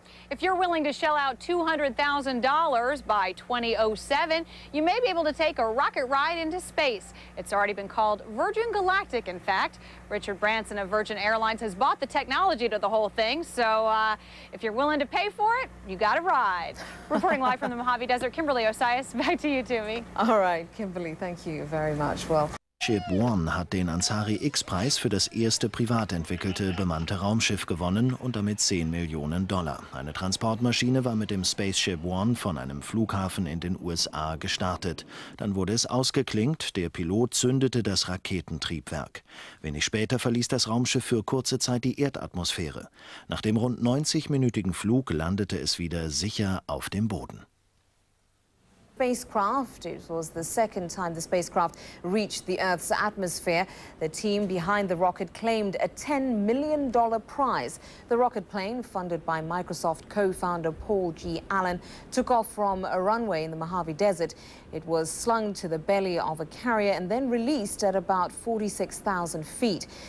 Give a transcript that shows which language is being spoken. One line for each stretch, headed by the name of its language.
English: If you're willing to shell out $200,000 by 2007, you may be able to take a rocket ride into space. It's already been called Virgin Galactic, in fact. Richard Branson of Virgin Airlines has bought the technology to the whole thing, so if you're willing to pay for it, you got a ride. Reporting live from the Mojave Desert, Kimberly Osias, back to you, Toomey. All right, Kimberly, thank you very much. Well,
German: Ship One hat den Ansari-X-Preis für das erste privat entwickelte bemannte Raumschiff gewonnen und damit 10 Millionen Dollar. Eine Transportmaschine war mit dem Spaceship One von einem Flughafen in den USA gestartet. Dann wurde es ausgeklinkt, der Pilot zündete das Raketentriebwerk. Wenig später verließ das Raumschiff für kurze Zeit die Erdatmosphäre. Nach dem rund 90-minütigen Flug landete es wieder sicher auf dem Boden.
English: Spacecraft. It was the second time the spacecraft reached the Earth's atmosphere. The team behind the rocket claimed a $10 million prize. The rocket plane, funded by Microsoft co-founder Paul G. Allen, took off from a runway in the Mojave Desert. It was slung to the belly of a carrier and then released at about 46,000 feet.